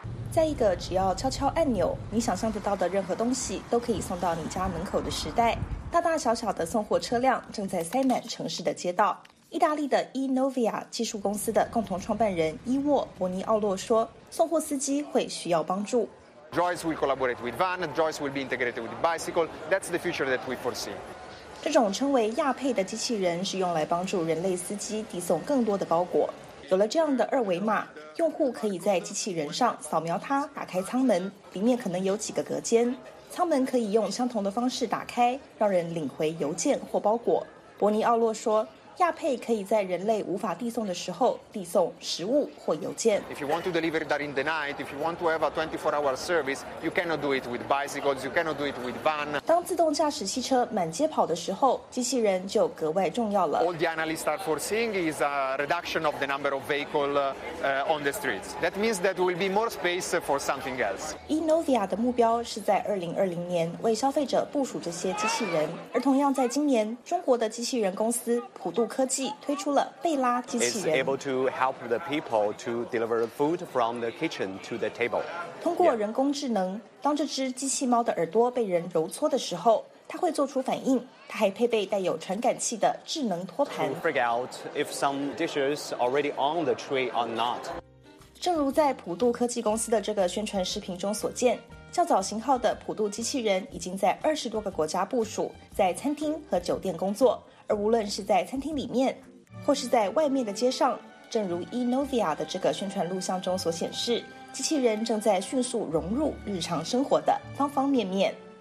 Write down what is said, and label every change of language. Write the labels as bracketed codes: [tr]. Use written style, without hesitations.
[zh] 在一个只要敲敲按钮，你想象得到的任何东西都可以送到你家门口的时代，大大小小的送货车辆正在塞满城市的街道。意大利的 eNovia 技术公司的共同创办人伊沃·博尼奥洛说，送货司机会需要帮助。 [en] Joyce will collaborate with van, and Joyce will be integrated with bicycle. That's the future that we foresee. [zh] 这种称为亚配的机器人是用来帮助人类司机递送更多的包裹。有了这样的二维码，用户可以在机器人上扫描它，打开舱门，里面可能有几个隔间，舱门可以用相同的方式打开，让人领回邮件或包裹。伯尼奥洛说，亚配可以在人类无法递送的时候递送食物或邮件。 [en] If you want to deliver that in the night, if you want to have a 24-hour service, you cannot do it with bicycles, you cannot do it with van. [zh] 当自动驾驶汽车满街跑的时候，机器人就格外重要了。 [en] All the analysts are foreseeing is a reduction of the number of vehicles on the streets. That means that there will be more space for something else. [zh] eNovia 的目标是在2020年为消费者部署这些机器人，而同样在今年，中国的机器人公司普。度科技推出了贝拉机器人。 [en] It's able to help the people to deliver food from the kitchen to the table. [zh] 通过人工智能，当这只机器猫的耳朵被人揉搓的时候，它会做出反应。它还配备带有传感器的智能托盘。 [en] To figure out if some dishes already on the tray or not. [zh] 正如在普度科技公司的这个宣传视频中所见，较早型号的普度机器人已经在20多个国家部署，在餐厅和酒店工作。而无论是在餐厅里面或是在外面的街上，正如 eNovia 的这个宣传录像中所显示，机器人正在迅速融入日常生活的方方面面。